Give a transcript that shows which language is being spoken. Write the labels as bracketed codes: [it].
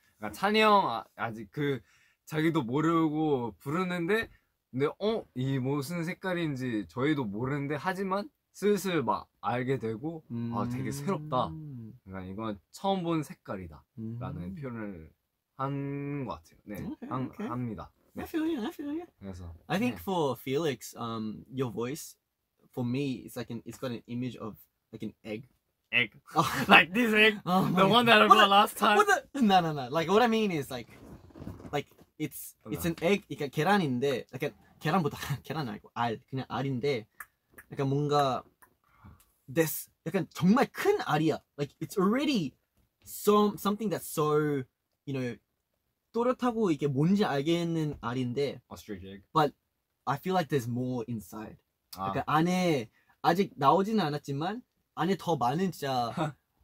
[ko] 그러니까 찬이 형 아직 그 자기도 모르고 부르는데 근데 어? 이 무슨 색깔인지 저희도 모르는데 하지만 슬슬 막 알게 되고 아 되게 새롭다. 그러니까 이건 처음 본 색깔이다 라는 표현을 한 것 같아요. 네, [en] okay, [ko] 합니다. [en] 네. I feel you, I feel you. [ko] 그래서, [en] I think 네. for Felix, your voice, for me, it's like it's got an image of like an egg oh. like this egg oh the one that I got last time no like what I mean is like it's an egg [ko] 그러니까 계란인데 like 계란보다 계란 아니고 알 그냥 알인데 약간 뭔가 this 약간 정말 큰 알이야 [en] like it's already something that's so you know [ko] 또렷하고 이게 뭔지 알겠는 알인데 [en] ostrich egg but I feel like there's more inside [ko] 그러니까 아. 안에 아직 나오지는 않았지만 안에 더 많은 진짜